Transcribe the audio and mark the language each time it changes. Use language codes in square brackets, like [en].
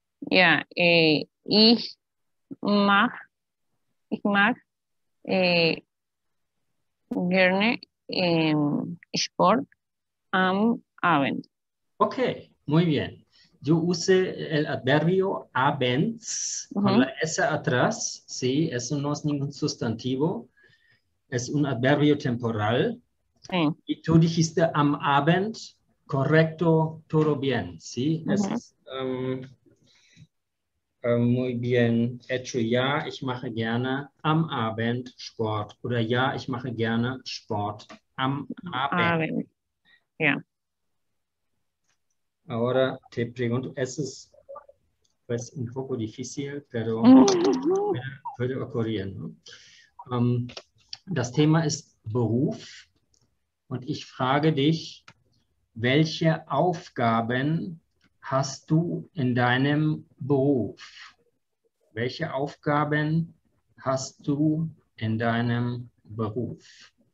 [de] Ja, ich mag gerne Sport am Abend. [es] Okay, muy bien. Yo use el adverbio abends, uh-huh, con la S atrás, sí, eso no es ningún sustantivo. es un adverbio temporal. Sí. Y tú dijiste am Abend, correcto, todo bien, ¿sí? Uh-huh. Es muy bien hecho. [de] Ja, ich mache gerne am Abend Sport. Oder ja, ich mache gerne Sport am Abend. Ja. [es] Ahora te pregunto, es ist pues, un poco difícil, pero puede ocurrir. [de] ¿No? Das Thema ist Beruf. Und ich frage dich, welche Aufgaben hast du in deinem Beruf? Welche Aufgaben hast du in deinem Beruf?